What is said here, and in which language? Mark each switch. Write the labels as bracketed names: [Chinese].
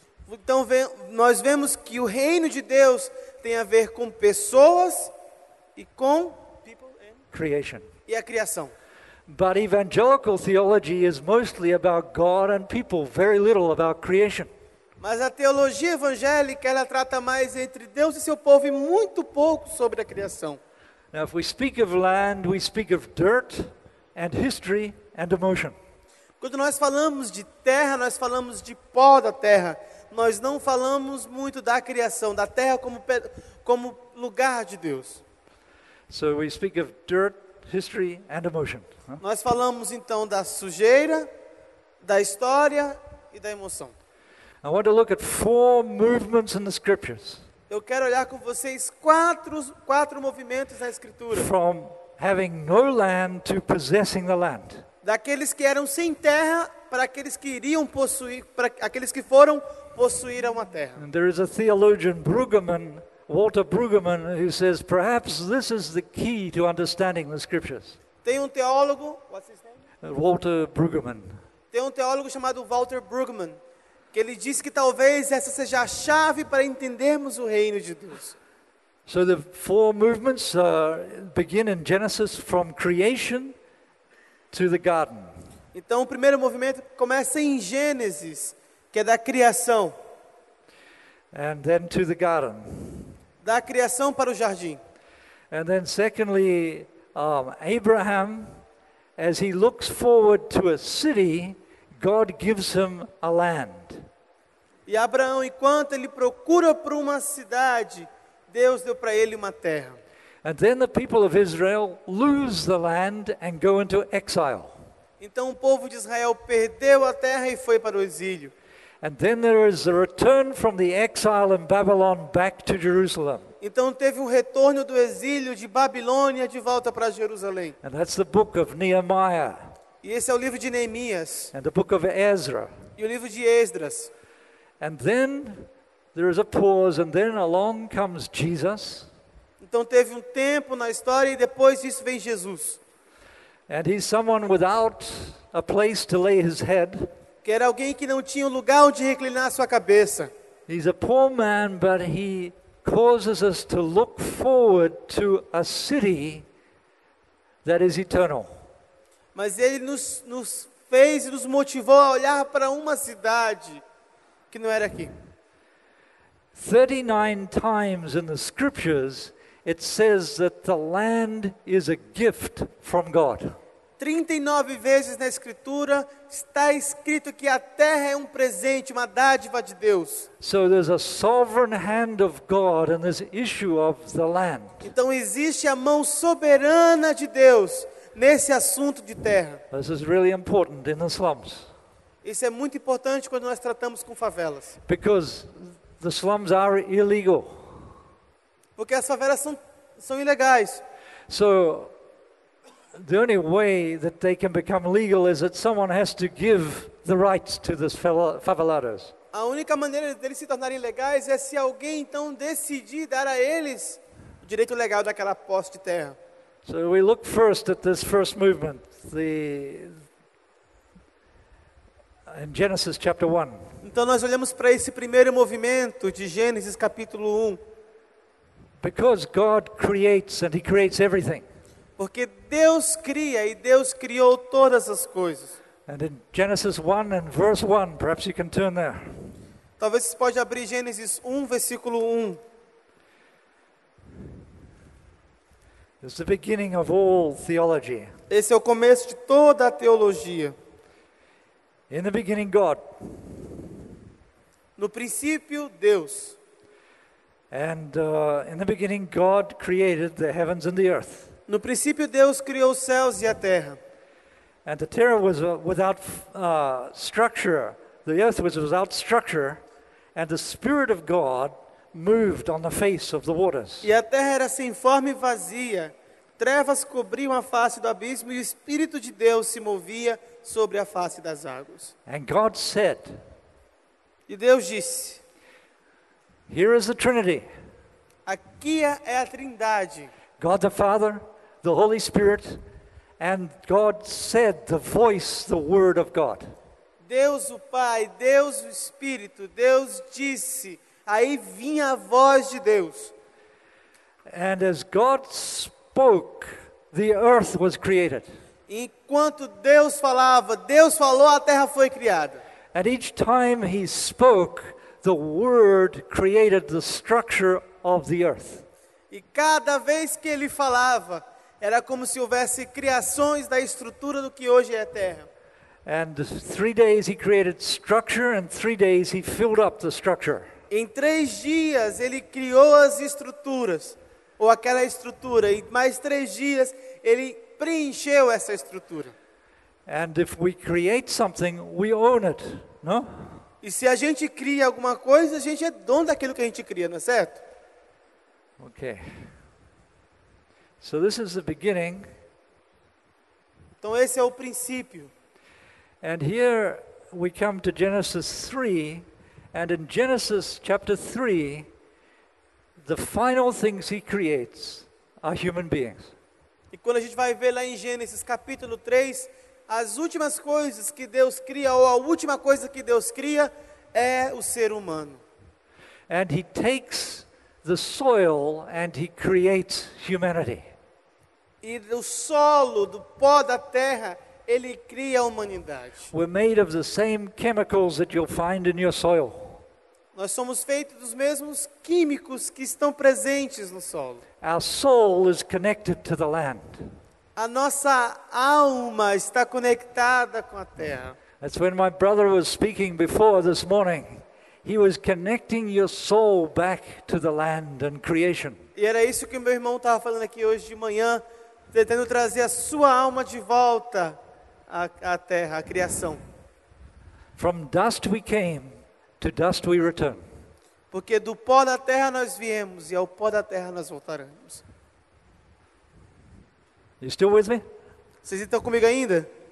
[Portuguese] Então nós vemos que o reino de Deus tem a ver com pessoas e com [English] people and creation. [Portuguese] E a criação. [English] But evangelical theology is mostly about God and people, very little about creation. [Portuguese] Mas a teologia evangélica, ela trata mais entre Deus e seu povo e muito pouco sobre a criação. [English] Now, if we speak of land, we speak of dirt and history and emotion. [Portuguese] Quando nós falamos de terra, nós falamos de pó da terra. Nós não falamos muito da criação, da terra como lugar de Deus. [English] So we speak of dirt, history and emotion. [Portuguese] Nós falamos então da sujeira, da história e da emoção. [English] I want to look at four movements in the scriptures. [Portuguese] Eu quero olhar com vocês quatro movimentos na escritura. [English] From having no land to possessing the land. [Portuguese] Daqueles que eram sem terra para aqueles que iriam possuir, para aqueles que foram possuir uma terra. [English] And there is a theologian Walter Brueggemann, who says perhaps this is the key to understanding the scriptures. [Portuguese] Tem um teólogo, [English] what's his name? Walter Brueggemann. [Portuguese] Tem um teólogo chamado Walter Brueggemann, que ele diz que talvez essa seja a chave para entendermos o reino de Deus. [English] So the four movements begin in Genesis from creation to the garden. [Portuguese] Então o primeiro movimento começa em Gênesis, que é da criação. [English] And then to the garden. [Portuguese] Da criação para o jardim. [English] And then secondly, Abraham, as he looks forward to a city, God gives him a land. [Portuguese] E Abraão, enquanto ele procura por uma cidade, Deus deu para ele uma terra. [English] And then the people of Israel lose the land and go into exile. [Portuguese] Então o povo de Israel perdeu a terra e foi para o exílio. [English] And then there is a return from the exile in Babylon back to Jerusalem. [Portuguese] Então teve um retorno do exílio de Babilônia de volta para Jerusalém. [English] And that's the book of Nehemiah. [Portuguese] E esse é o livro de Neemias. [English] And the book of Ezra. [Portuguese] E o livro de Esdras. [English] And then there is a pause, and then along comes Jesus. [Portuguese] Então teve um tempo na história e depois disso vem Jesus. [English] And he's someone without a place to lay his head. [Portuguese] Que era alguém que não tinha um lugar onde reclinar a sua cabeça. [English] He's a poor man, but he causes us to look forward to a city that is eternal. [Portuguese] Mas ele nos fez e nos motivou a olhar para uma cidade que não era aqui. [English] 39 times in the scriptures it says that the land is a gift from God. [Portuguese] 39 vezes na escritura está escrito que a terra é um presente, uma dádiva de Deus. [English] So there's a sovereign hand of God in this issue of the land. [Portuguese] Então existe a mão soberana de Deus nesse assunto de terra. [English] This is really important in the slums. [Portuguese] Isso é muito importante quando nós tratamos com favelas. [English] Because the slums are illegal. [Portuguese] Porque as favelas são ilegais. [English] So the only way that they can become legal is that someone has to give the rights to the favelados. [Portuguese] A única maneira deles se tornarem legais é se alguém então decidir dar a eles o direito legal daquela posse de terra. [English] So we look first at this first movement, in Genesis chapter 1. [Portuguese] Então nós olhamos para esse primeiro movimento de Gênesis capítulo 1. [English] Because God creates and he creates everything. [Portuguese] Porque Deus cria e Deus criou todas as coisas. [English] And in Genesis 1 and verse 1, perhaps you can turn there. [Portuguese] Talvez você pode abrir Gênesis 1, versículo 1. [English] It's the beginning of all theology. [Portuguese] Esse é o começo de toda a teologia. [English] In the beginning, God. [Portuguese] No princípio, Deus. [English] And in the beginning, God created the heavens and the earth. [Portuguese] No princípio Deus criou os céus e a terra. [English] And the terra was without structure. The earth was without structure, and the Spirit of God moved on the face of the waters. [Portuguese] E a terra era sem forma e vazia. Trevas cobriam a face do abismo e o Espírito de Deus se movia sobre a face das águas. [English] And God said, [Portuguese] e Deus disse, [English] here is the Trinity. [Portuguese] Aqui é a Trindade. [English] God the Father, the Holy Spirit, and God said the voice, the word of God. [Portuguese] Deus o Pai, Deus o Espírito, Deus disse, aí vinha a voz de Deus. [English] And as God spoke, the earth was created. [Portuguese] Enquanto Deus falava, Deus falou, a terra foi criada. [English] And each time he spoke, the word created the structure of the earth. [Portuguese] E cada vez que ele falava, era como se houvesse criações da estrutura do que hoje é a terra. [English] And 3 days he created structure, and 3 days he filled up the structure. [Portuguese] Em 3 dias ele criou as estruturas, ou aquela estrutura, e mais 3 dias ele preencheu essa estrutura. [English] And if we create something, we own it, no? [Portuguese] E se a gente cria alguma coisa, a gente é dono daquilo que a gente cria, não é certo? [English] Okay. So this is the beginning. [Portuguese] Então esse é o princípio. [English] And here we come to Genesis 3, and in Genesis chapter 3, the final things he creates are human beings. [Portuguese] E quando a gente vai ver lá em Gênesis capítulo 3, as últimas coisas que Deus cria, ou a última coisa que Deus cria, é o ser humano. [English] And he takes the soil and he creates humanity. [Portuguese] E do solo, do pó da terra, ele cria a humanidade. [English] We're made of the same chemicals that you'll find in your soil. [Portuguese] Nós somos feitos dos mesmos químicos que estão presentes no solo. [English] Our soul is connected to the land. [Portuguese] A nossa alma está conectada com a terra. [English] That's when my brother was speaking before this morning. He was connecting your soul back to the land and creation. [Portuguese] E era isso que meu irmão estava falando aqui hoje de manhã, tentando trazer a sua alma de volta à terra, à criação. [English] From dust we came, to dust we return. [Portuguese] Porque do pó da terra nós viemos e ao pó da terra nós voltaremos. [English] You still with me? [Portuguese] Vocês estão comigo ainda?